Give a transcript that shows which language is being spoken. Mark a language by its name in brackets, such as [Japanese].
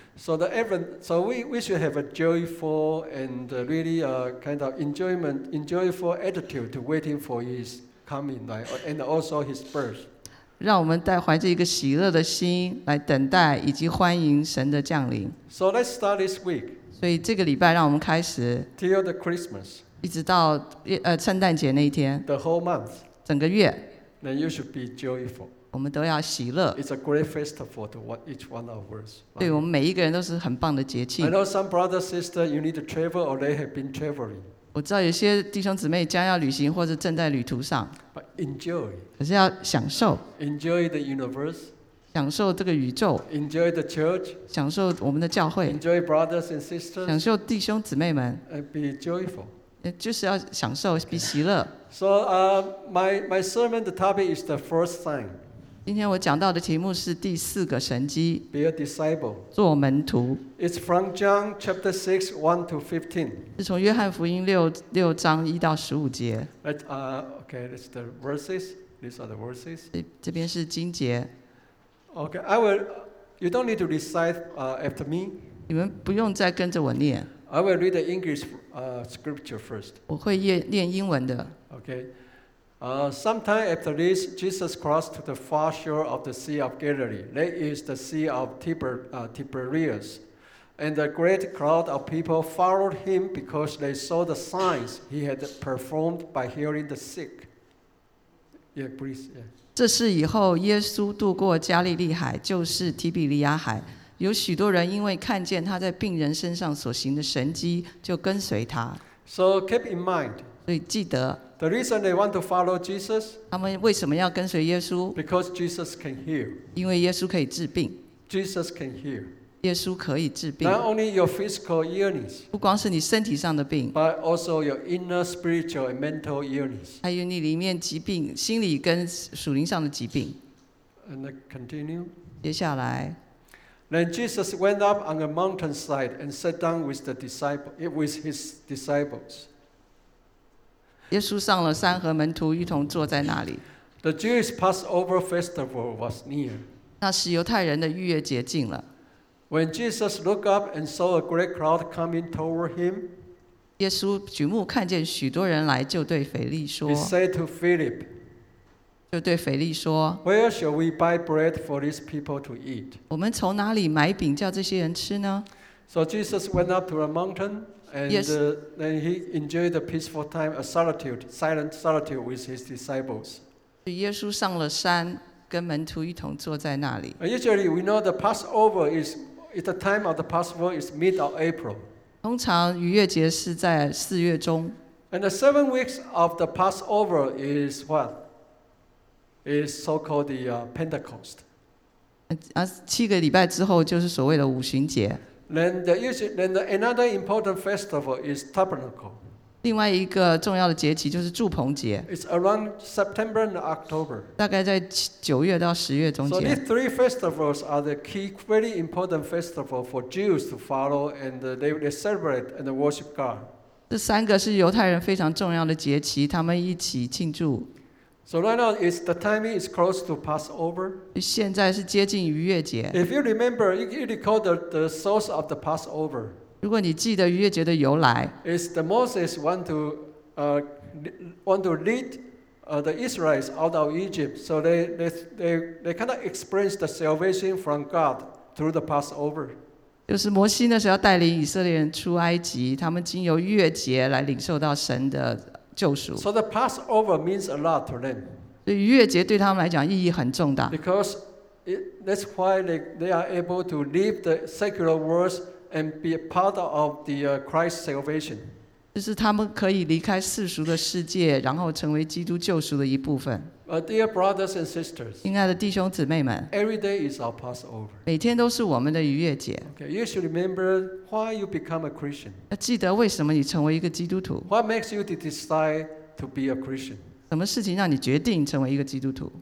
[English] So the Advent, so we should have a joyful and really a kind of enjoyful attitude to waiting for his coming, right? And also his birth. [Chinese] 让我们带怀着一个喜乐的心来等待以及欢迎神的降临。 [English] So let's start this week. [Chinese] 所以这个礼拜让我们开始。 [English] Till the Christmas. [Chinese] 一直到圣诞节那一天。 [English] The whole month. [Chinese] 整个月。 [English] Then you should be joyful. [Chinese] 我们都要喜乐。 [English] It's a great festival to each one of us. [Chinese] 对我们每一个人都是很棒的节庆。 [English] I know some brothers and sisters you need to travel or they have been traveling. [Chinese] 我知道有些弟兄姊妹将要旅行或者正在旅途上 [English] But enjoy, [Chinese] 可是要享受 [English] enjoy the universe, [Chinese] 享受这个宇宙 [English] enjoy the church, [Chinese] 享受我们的教会 [English] enjoy brothers and sisters, [Chinese] 享受弟兄姊妹们 [English] and be joyful, [Chinese] 就是要享受 be 喜乐 [English] So, my sermon the topic is the first sign. [Chinese] 今天我讲到的题目是第四个神迹 [English] Be a disciple, [Chinese] 做门徒 [English] It's from John chapter 6, 1 to 15. [Chinese] 是从约翰福音六章一到十五节。 [English] Okay, it's the verses. These are the verses. [Chinese] 这边是经节。 [English] Okay, I will. You don't need to recite after me. [Chinese] 你们不用再跟着我念。 [English] I will read the English scripture first. [Chinese] 我会念英文的。 [English] Okay. Sometime after this, Jesus crossed to the far shore of the Sea of Galilee. That is the Sea of Tiberias. And a great crowd of people followed him because they saw the signs he had performed by healing the sick. Yeah, please. Yeah. [Chinese] 这是以后耶稣渡过加利利海，就是提比利亚海。有许多人因为看见他在病人身上所行的神迹，就跟随他。 [English] So keep in mind. [Chinese] 所以记得。 [English] The reason they want to follow Jesus. [Chinese] 他们为什么要跟随耶稣 [English] ？Because Jesus can heal. [Chinese] 因为耶稣可以治病。 [English] Jesus can heal. [Chinese] 耶稣可以治病 [English] Not only your physical illness, [Chinese] 不光是你身体上的病 [English] but also your inner spiritual and mental illness, [Chinese] 还有你里面疾病心理跟属灵上的疾病 [English] and continue, [Chinese] 接下来 [English] Then Jesus went up on a mountainside and sat down with, the disciple, with his disciples. [Chinese] 耶稣上了山和门徒一同坐在那里 [English] The Jewish Passover festival was near. [Chinese] 那是犹太人的逾越节近了 [English] When Jesus looked up and saw a great crowd coming toward him, [Chinese] 耶稣举目看见许多人来，就对腓力说 [English] ，He said to Philip, [Chinese] 就对腓力说 [English] ，Where shall we buy bread for these people to eat? [Chinese] 我们从哪里买饼叫这些人吃呢 [English] ？So Jesus went up to a mountain, and then he enjoyed a peaceful time, a solitude, silent solitude with his disciples. [Chinese] 耶稣上了山。跟门徒一同坐在那里。 [English] Usually, we know the Passover is the time of the Passover is mid of April. [Chinese] 通常逾越节是在四月中。 [English] And the 7 weeks of the Passover is what? Is so called the Pentecost. [Chinese] 七个礼拜之后就是所谓的五旬节。 [English] Then another important festival is Tabernacle. [Chinese] 另外一个重要的节期就是祝棚节。 [English] It's around September and October. [Chinese] 大概在九月到十月中间。 [English] So these three festivals are the key, very important festival for Jews to follow, and they celebrate and worship God. [Chinese] 这三个是犹太人非常重要的节期，他们一起庆祝。 [English] So right now, it's the timing is close to Passover. [Chinese] 现在是接近逾越节。 [English] If you remember, you recall the source of the Passover. [Chinese] 如果你记得逾越节的由来 [English] ，is the Moses want to lead the Israelites out of Egypt, so they kind of experience the salvation from God through the Passover. [Chinese] 就是摩西那时候要带领以色列人出埃及，他们经由逾越节来领受到神的救赎。 [English] So the Passover means a lot to them. [Chinese] 所以逾越节对他们来讲意义很重大。 [English] Because that's why they are able to leave the secular world. And be a part of the Christ's salvation. [Chinese] 就是他们可以离开世俗的世界，然后成为基督救赎的一部分。 [English] Dear brothers and sisters, [Chinese] 亲爱的弟兄姊妹们， [English] Every day is our Passover. [Chinese] 每天都是我们的逾越节。 [English] Okay, you should remember why you become a Christian. [Chinese] 要记得为什么你成为一个基督徒。 [English] What makes you decide to be a Christian? [Chinese] 什么事情让你决定成为一个基督徒？